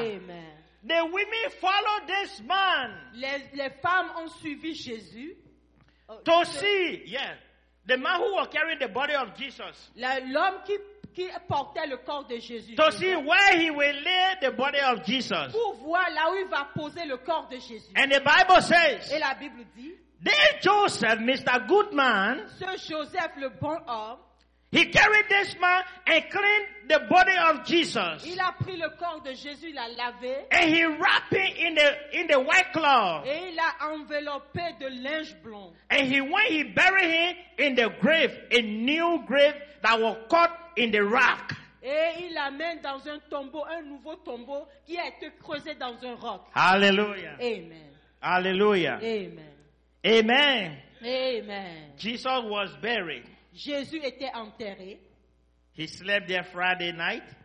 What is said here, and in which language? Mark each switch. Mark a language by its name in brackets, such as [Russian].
[English] Amen. The women followed this man. [French] Les femmes ont suivi Jésus. [English] To see, yeah, the man who was carrying the body of Jesus. [French] L'homme qui portait le corps de Jésus. [English] To see where he will lay the body of Jesus. [French] Pour voir là où il va poser le corps de Jésus. [English] And the Bible says, [French] et la Bible dit, [English] this Joseph, Mr. Goodman, [French] ce Joseph, le bon homme, [English] he carried this man and cleaned the body of Jesus. [French] Il a pris le corps de Jésus, il l'a lavé. [English] And he wrapped it in the white cloth. [French] Et il l'a enveloppé de linge blond. [English] And he buried him in the grave, a new grave that was cut in the rock. [French] Et il l'amène dans un tombeau, un nouveau tombeau qui a été creusé dans un roc. Hallelujah. Amen. Hallelujah. Amen. Amen. Amen. [English] Jesus was buried. [French] Jésus était enterré. [English] He slept there Friday night.